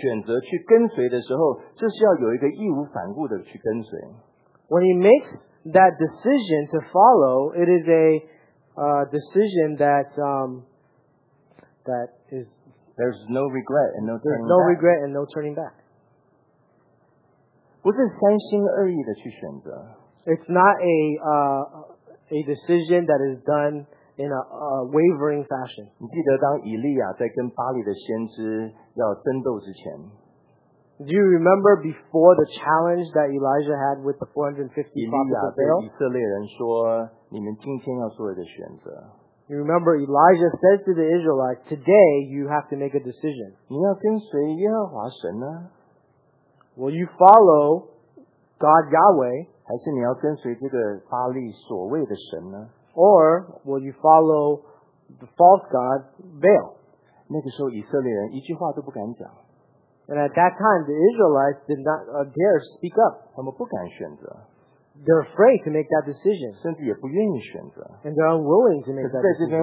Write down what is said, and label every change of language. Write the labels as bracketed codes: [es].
[zh] 在他要去做这个选择去跟随的时候, 这是要有一个义无反顾的去跟随。 [en] When he makes that decision to follow, it is a decision that there's no regret and no turning back. [zh] 不是三心二意的去选择。 [en] It's not a decision that is done in a wavering fashion. [zh] 你记得当以利亚在跟巴利的先知要争斗之前, [en] Do you remember before the challenge that Elijah had with the 450 prophets of Baal? You remember Elijah said to the Israelites, today you have to make a decision. [zh] 你要跟随耶和华神呢? [en] Will you follow God Yahweh? [zh] 还是你要跟随这个巴利所谓的神呢? [en] Or will you follow the false god Baal? [zh] 那个时候以色列人一句话都不敢讲。 [en] And at that time, the Israelites did not dare speak up. They're afraid to make that decision. And they're unwilling to make that decision.